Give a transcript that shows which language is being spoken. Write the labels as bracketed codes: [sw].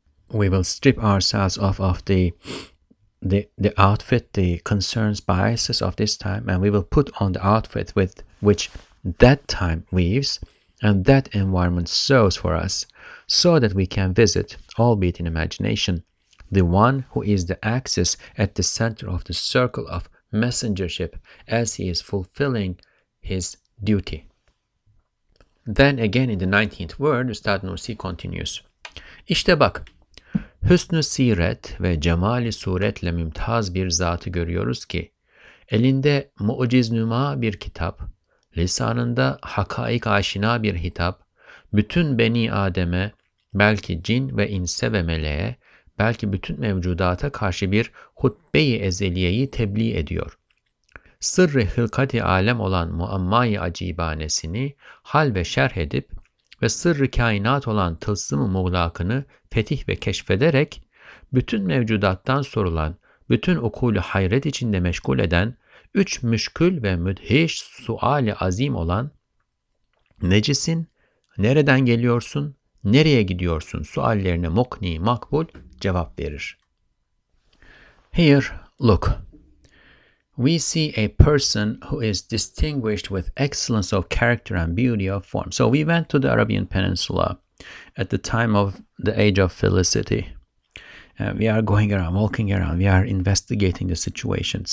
[en] We will strip ourselves off of the outfit, the concerns, biases of this time, and we will put on the outfit with which that time weaves and that environment sews for us, so that we can visit, albeit in imagination, the one who is the axis at the center of the circle of messengership as he is fulfilling his duty. Then again in the 19th word, Ustad Nursi continues. [tr] İşte bak, hüsnü siret ve cemali suretle mümtaz bir zatı görüyoruz ki, elinde mu'ciznüma bir kitap, lisanında hakaik aşina bir hitap, bütün beni Adem'e, belki cin ve inse ve meleğe, belki bütün mevcudata karşı bir hutbe-i ezeliyeyi tebliğ ediyor. Sırrı hılkati alem olan muammayı acibanesini hal ve şerh edip ve sırrı kainat olan tılsım-ı muğlakını fetih ve keşfederek bütün mevcudattan sorulan, bütün ukulü hayret içinde meşgul eden, üç müşkül ve müdhiş suali azim olan necisin, nereden geliyorsun, nereye gidiyorsun suallerine mukni makbul cevap verir. [en] Here, look. We see a person who is distinguished with excellence of character and beauty of form. So we went to the Arabian Peninsula at the time of the Age of Felicity. We are going around, walking around, we are investigating the situation.